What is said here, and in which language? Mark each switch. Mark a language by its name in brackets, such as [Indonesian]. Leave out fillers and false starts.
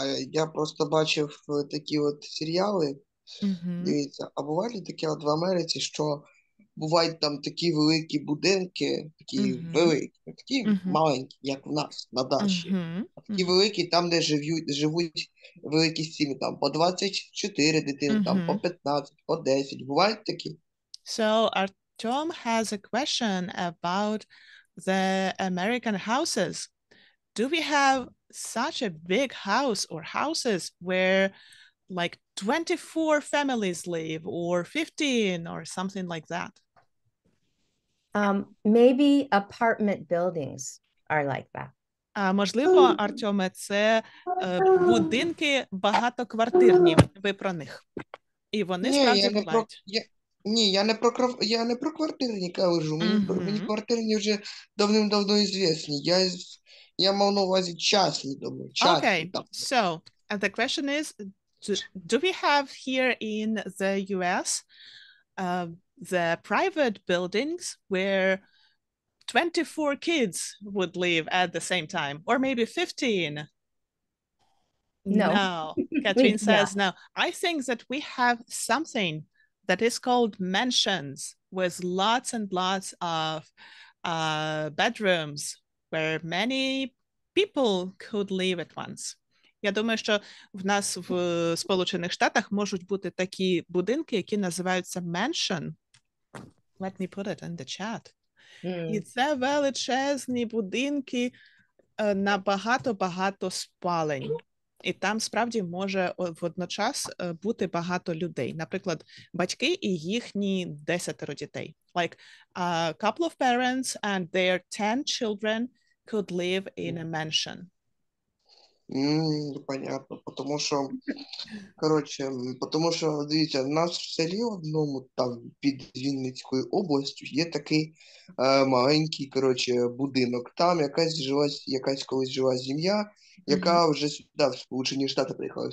[Ukrainian] Я просто бачив такі от серіали. Дивіться, а бувають такі от в Америці, що бувають там такі великі будинки, такі великі, такі маленькі, як в нас, на дачі. Такі великі, там, де живуть великі сім'ї, там по 24 дитини, там по 15, по 10. Бувають такі? [English] So, Artem has a question about the American houses. Do we have such a big house or houses where like 24 families live or 15 or something like that? Maybe apartment buildings are like that. [Ukrainian] Можливо, Артеме, це будинки багатоквартирні. Ви про них. І вони справді бувають. Ні, я не про квартирні кажу. Мені квартирні вже давним-давно звісні. Я мав на увазі частні доми. [English] Okay, so the question is, do we have here in the U.S., the private buildings where 24 kids would live at the same time, or maybe 15? No. Katharine says no. I think that we have something that is called mansions with lots and lots of bedrooms where many people could live at once. [Ukrainian] Я думаю, що в нас в Сполучених Штатах можуть бути такі будинки, які називаються mansion. [English] Let me put it in the chat. Mm. [Ukrainian] І це величезні будинки на багато-багато спалень. І там справді може водночас бути багато людей. Наприклад, батьки і їхні 10 дітей. [English] Like, a couple of parents and their 10 children could live in a mansion. [Ukrainian] Понятно, тому що, коротше, тому що, дивіться, в нас в селі одному, там, під Вінницькою областю, є такий маленький, коротше, будинок. Там якась жила, якась колись жила сім'я, яка вже сюди, в Сполучені Штати, приїхала.